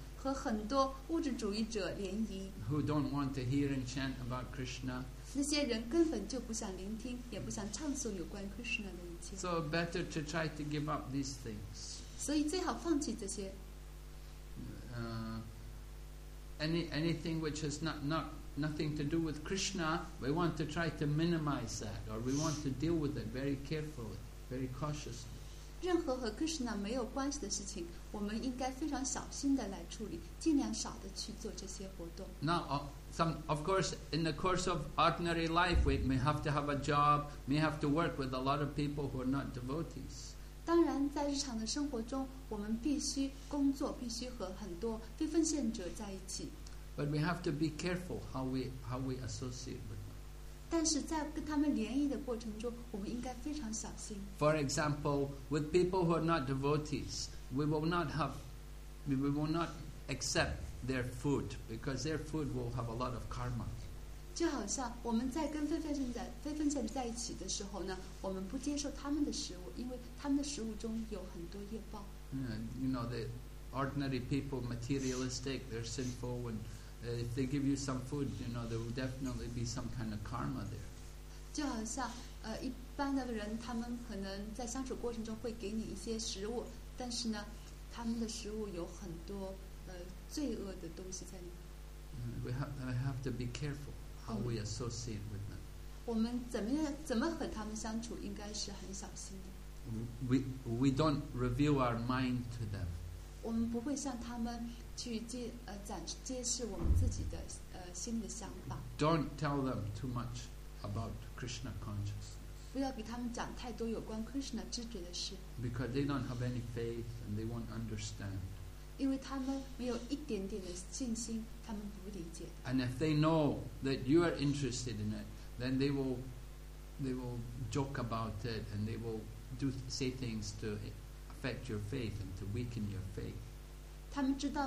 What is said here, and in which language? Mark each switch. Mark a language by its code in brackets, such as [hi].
[zh] 和很多物质主义者联谊。 [en] Who don't want to hear and chant about Krishna. [zh] 那些人根本就不想聆听，也不想唱诵有关 Krishna 的一切。 [en] So better to try to give up these things. [zh] 所以最好放弃这些。 [en] Anything which has nothing to do with Krishna, we want to try to minimize that, or we want to deal with it very carefully, very cautiously. [zh] 任何和 Krishna 没有关系的事情，我们应该非常小心的来处理，尽量少的去做这些活动。 [en] Now, of course, in the course of ordinary life, we may have to have a job, may have to work with a lot of people who are not devotees. [zh] 当然在日常的生活中我们必须工作必须和很多非奉献者在一起 [en] But we have to be careful how we associate with them [zh] 但是在跟他们联谊的过程中我们应该非常小心 [en] For example, with people who are not devotees we will not accept their food because their food will have a lot of karma [zh] 就好像我们在跟非奉献者在一起的时候呢我们不接受他们的食物因为他们的食物中有很多业报 [en] You know, the ordinary people, materialistic, they're sinful and if they give you some food, you know, there will definitely be some kind of karma there [zh] 就好像一般的人他们可能在相处过程中会给你一些食物但是呢他们的食物有很多罪恶的东西在里面 [en] We have to be careful how we associate with them. [zh] 我们怎么和他们相处, [en] we don't reveal our mind to them. [zh] 我们不会向他们去展示我们自己的心的想法。 [en] Don't tell them too much about Krishna consciousness. [zh] 不要给他们讲太多有关Krishna知觉的事。 [en] Because they don't have any faith and they won't understand. [zh] 因为他们没有一点点的信心, [en] and if they know that you are interested in it, then they will joke about it and they will say things to affect your faith and to weaken your faith.